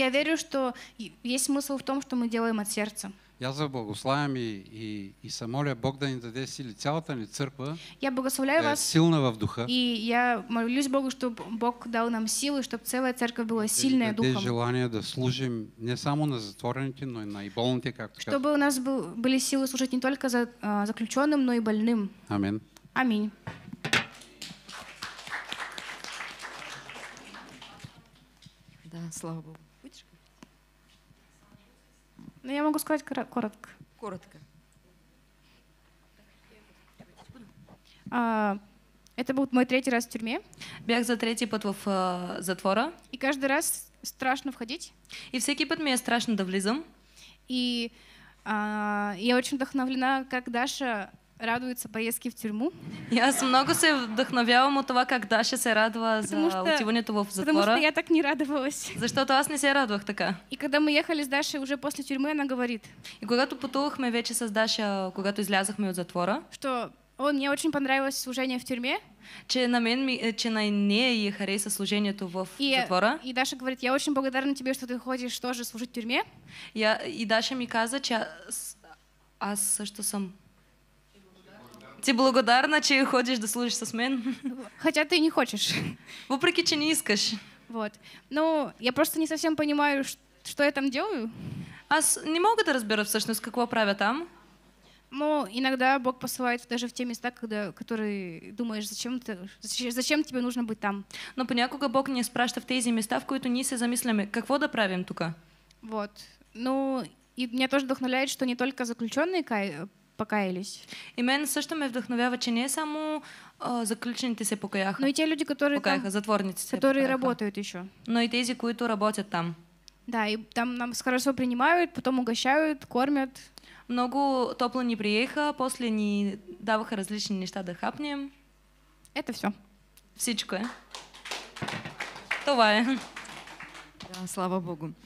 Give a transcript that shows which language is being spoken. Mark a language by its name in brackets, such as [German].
[Russian] Я верю, что есть смысл в том, что мы делаем от сердца. [Bulgarian] Я заблагославям и се моля Бог да ни даде сили. Цялата ни църква [Russian] я благословляю да вас, [Bulgarian] е силна в духа. [Russian] И я молюсь Богу, чтобы Бог дал нам силы, чтобы целая церковь была сильная духом. [Bulgarian] И даде желание да служим не само на затворените, но и на и болните, както казах. [Russian] Чтобы у нас были силы служить не только за заключенным, но и больным. [Bulgarian] Амин. [Russian] Аминь. Да, слава Богу. Ну, я могу сказать коротко. Коротко. Это был мой 3-й раз в тюрьме. [Bulgarian] Бях за 3-й път в затвора. [Russian] И каждый раз страшно входить. [Bulgarian] И всякий път мне страшно да влизам. [Russian] И я очень вдохновлена, как Даша радуется поездке в тюрьму. [Bulgarian] Я много се вдохновявам от това, как Даша се радва за отиването в затвора. [Russian] Потому что я так не радовалась. [Bulgarian] Защото аз не се радвах така. [Russian] И когда мы ехали с Дашей уже после тюрьмы, она говорит. [Bulgarian] И когато пътувахме вече с Даша, когато излязахме от затвора. [Russian] Что он мне очень понравилось служение в тюрьме. [Bulgarian] Че на нея ей хареса служението в затвора. [Russian] И Даша говорит, я очень благодарна тебе, что ты ходишь тоже служить в тюрьме. [Bulgarian] И Даша ми каза, че аз също съм... Ти благодарна, че ходиш да служиш с мен. [Russian] Хотя ты не хочешь. [Bulgarian] Въпреки, че не искаш. [Russian] Вот. Ну, я просто не совсем понимаю, что я там делаю. [Bulgarian] Аз не мога да разбера всъщност какво правя там. [Russian] Ну, иногда Бог посылает даже в те места, когда, которые думаешь, зачем тебе нужно быть там. [Bulgarian] Но понякога Бог не спрашивает в тези места, в които ние се замисляме, какво да правим тука? [Russian] Вот. Ну, и меня тоже вдохновляет, что не только заключенные покаялись. [Bulgarian] И мен също ме вдохновява, че не само заключените се покаяха. [Russian] Но и те люди, которые [Bulgarian] покаяха, там, затворниците покаяха. [Russian] Которые работают еще. [Bulgarian] Но и тези, които работят там. [Russian] Да, и там нам хорошо принимают, потом угощают, кормят. [Bulgarian] Много топло ни приеха, после ни даваха различни неща да хапнем. [Russian] Это все. [Bulgarian] Всичко е. Това е. [Russian] Да, слава Богу.